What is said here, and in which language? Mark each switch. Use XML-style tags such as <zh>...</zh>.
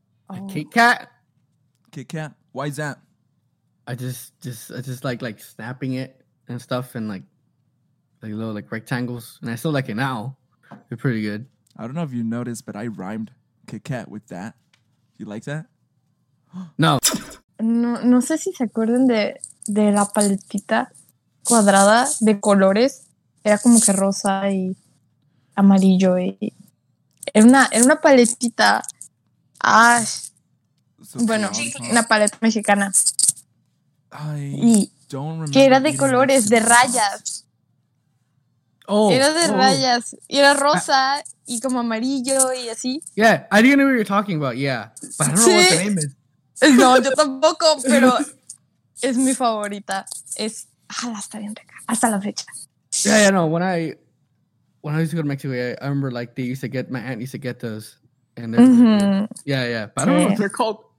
<en>A Kit Kat? Kit Kat? Why is that? I just like snapping it and stuff and like little like rectangles. And I still like it now. They're pretty good. I don't know if you noticed, but I rhymed Kit Kat with that. You like that? No.</en> <es>No sé si se acuerdan de la paletita cuadrada de colores. Era como que rosa y amarillo. Era una paletita. Ay, bueno, una paleta mexicana. Y que era de colores, de rayas. Rayas. Y era rosa y como amarillo y así.</es> <en>Yeah, I didn't know what you're talking about, yeah. But I don't know what the name is.</en> <es>No, yo tampoco, pero es mi favorita. Es hasta bien rica, hasta la fecha.</es> <en>Yeah, yeah, no. When I used to go to Mexico, I remember like they used to get my aunt used to get those, and mm-hmm. yeah. But I don't know what they're called.</en>